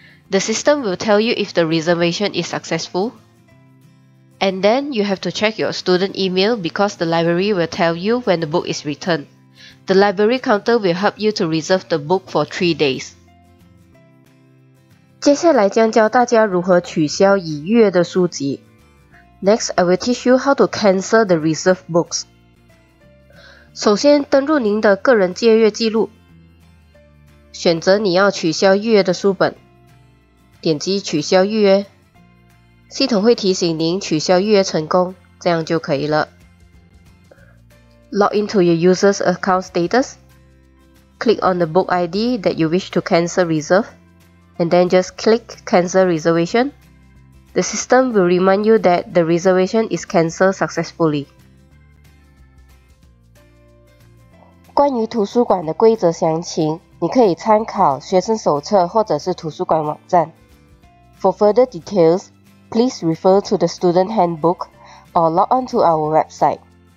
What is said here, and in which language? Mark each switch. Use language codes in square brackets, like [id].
[en] The system will tell you if the reservation is successful,And then you have to check your student email because the library will tell you when the book is returned. The library counter will help you to reserve the book for 3 days. [zh] 接下来将教大家如何取消已预约的书籍。 [en] Next, I will teach you how to cancel the reserved books. [zh] 首先登入您的个人借阅记录，选择你要取消预约的书本，点击取消预约。系统会提醒您取消预约成功，这样就可以了。 [en] log into your user's account status, click on the book ID that you wish to cancel reserve, and then just click cancel reservation. The system will remind you that the reservation is cancelled successfully. [zh] 关于图书馆的规则详情，你可以参考学生手册或者是图书馆网站。 [en] For further details, please refer to the student handbook or log on to our website.